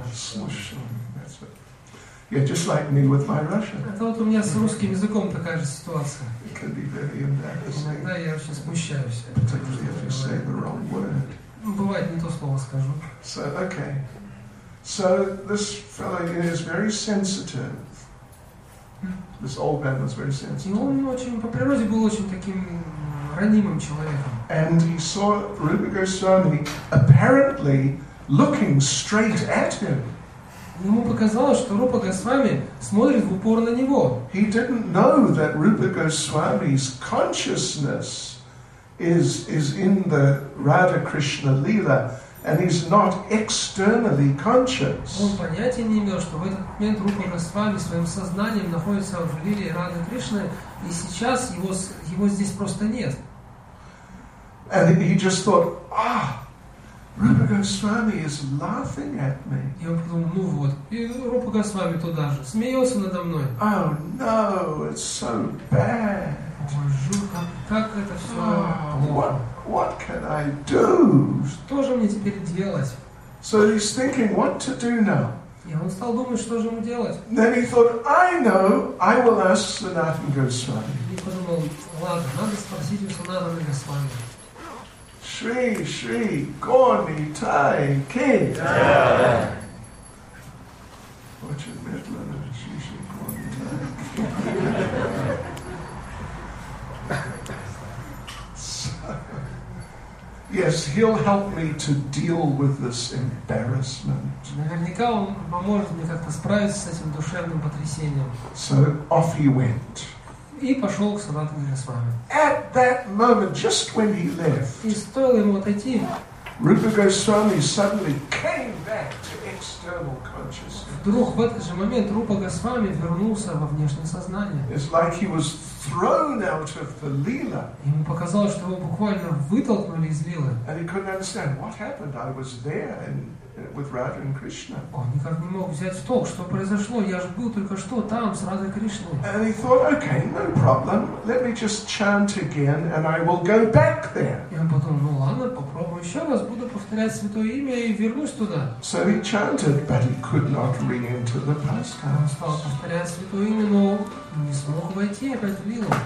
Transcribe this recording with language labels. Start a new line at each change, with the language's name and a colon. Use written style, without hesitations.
English: Смущенный, that's it. Yeah, just like me with my Russian.
Russian: Это вот у меня с русским языком такая же ситуация.
English: It can be very embarrassing.
Russian: Иногда я очень смущаюсь.
English: Particularly if you say the wrong word.
Russian: Бывает, не то слово скажу.
English: So, okay. So this fellow here is very sensitive. This old man was very sensitive.
Russian: И он очень по природе был очень таким ранимым человеком.
English: And he saw Rupa Goswami apparently looking straight at him.
Russian: Ему показалось, что Рупа Госвами смотрит в упор на него.
English: He didn't know that Rupa Goswami's consciousness is in the Radha Krishna Lila. And he's not externally conscious.
Russian: Он понятия не имел, что в этот момент Рупа Госвами своим сознанием находится в лиле Рады Кришны, и сейчас его здесь просто нет.
English: And he just thought, ah, Rupa Goswami is laughing at me.
Russian: И он подумал, ну вот, и Рупа Госвами туда же смеялся надо мной.
English: Oh no, it's so bad.
Russian: Как это все?
English: What can I do?
Russian: Что же мне теперь делать?
English: So he's thinking, what to do now?
Russian: И он стал думать, что же ему делать.
English: Then he thought, I know, I will ask Sanatan Goswami.
Russian: И подумал, ладно, надо спросить у Санатана Госвами. Шри, Шри, Горни, Тай, Ки. Очень медленно,
English: Шри, Шри, Горни, Тай, Yes, he'll help me to deal with this embarrassment.
Russian: Наверняка он поможет мне как-то справиться с этим душевным потрясением.
English: So off he went.
Russian: И пошел к Санатану Госвами.
English: At that moment, just when he left,
Russian: и стоило ему отойти,
English: Rupa Goswami suddenly came back to external consciousness.
Russian: Вдруг в этот же момент Рупа Госвами вернулся во внешнее сознание.
English: It's like he was thrown out of the lila.
Russian: Ему показалось, что его буквально вытолкнули из лилы.
English: And he couldn't understand what happened. I was there with Radha and Krishna.
Russian: Он никак не мог взять в толк, что произошло. Я же был только что там с Радой и Кришной.
English: And he thought, okay, no problem. Let me just chant again, and I will go back there.
Russian: И он подумал, ну ладно, попробую еще раз, буду повторять святое имя и вернусь туда.
English: So he chanted, but he could not ring into the pastime.
Russian: Он стал повторять святое имя, но не смог войти опять в лилу.